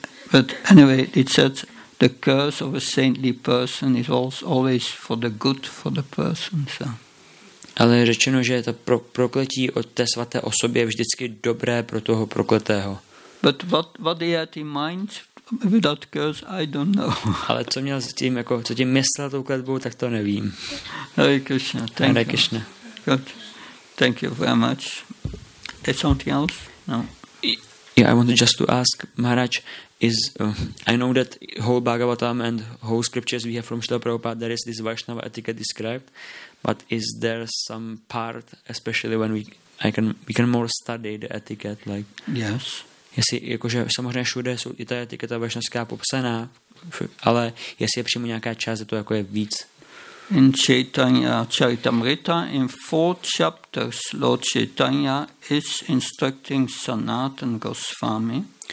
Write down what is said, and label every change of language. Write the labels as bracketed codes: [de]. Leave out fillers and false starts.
[en] But anyway, it says the curse of a saintly person is always for the good for the person. So. [cs] Ale je řečeno, že je to prokletí od té svaté osoby je vždycky dobré pro toho prokletého. [en] But what he had in mind with that curse, I don't know. [cs] Ale co měl s tím, jako, co tím myslel tou kletbou, tak to nevím. [en] Hare Krishna. Good. Thank you very much. Is something else? No. Yeah, I wanted just to ask, Maharaj, I know that whole Bhagavatam and whole scriptures we have from Srila Prabhupada, there is this Vaishnava etiquette described, but is there some part, especially when we can more study the etiquette, like... Yes. [cs] Jestli, jakože samozřejmě všude jsou i ta etiketa vaishnavská popsaná, ale jestli je přímo nějaká část, to jako je víc. [en] In Chaitanya Charitamrita, in 4 chapters, Lord Chaitanya is instructing Sanatan Goswami.